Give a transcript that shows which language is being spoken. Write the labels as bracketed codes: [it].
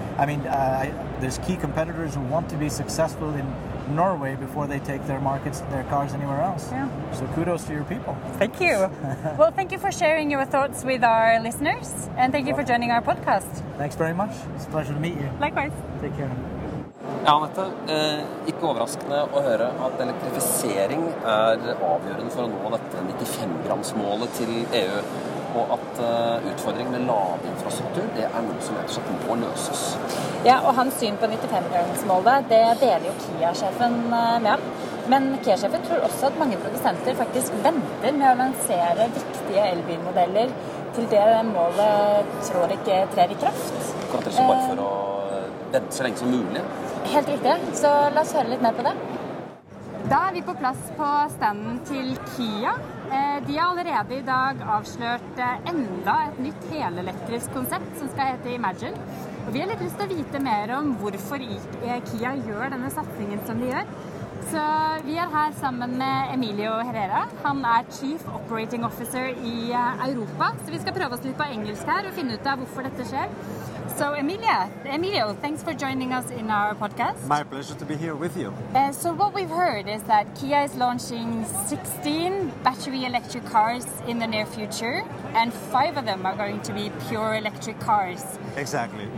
[en] I mean, there's key competitors who want to be successful in Norway before they take their markets, their cars anywhere else. Yeah. So kudos to your people. Thank you. Well, thank you for sharing your thoughts with our listeners, and thank you for joining our podcast. Thanks very much. It's a pleasure to meet you. Likewise. Take care. [no] Ja, Anette, ikke overraskende å høre at elektrifisering avgjørende for å nå dette 95-gramsmålet til EU, og at utfordring med ladeinfrastruktur, det noe som helst at må løses. Ja, og hans syn på 95-gramsmålet, det deler jo Kia-sjefen med. Men Kia-sjefen tror også at mange produsenter faktisk venter med å lansere viktige elbilmodeller til det målet tror ikke trer I kraft. Akkurat det som bare for å vente så lenge som mulig. Helt riktig, så la oss høre litt mer på det. Da vi på plass på standen til Kia. De har allerede I dag avslørt enda et nytt helelektrisk konsept som skal hete Imagine. Og vi har litt lyst til å vite mer om hvorfor Kia gjør denne satsningen som de gjør. Så vi her sammen med Emilio Herrera. Han Chief Operating Officer I Europa. Så vi skal prøve oss litt på engelsk her og finne ut av hvorfor dette skjer. [en] So Emilio, thanks for joining us in our podcast. My pleasure to be here with you. So what we've heard is that Kia is launching 16 battery electric cars in the near future, and 5 of them are going to be pure electric cars. Exactly.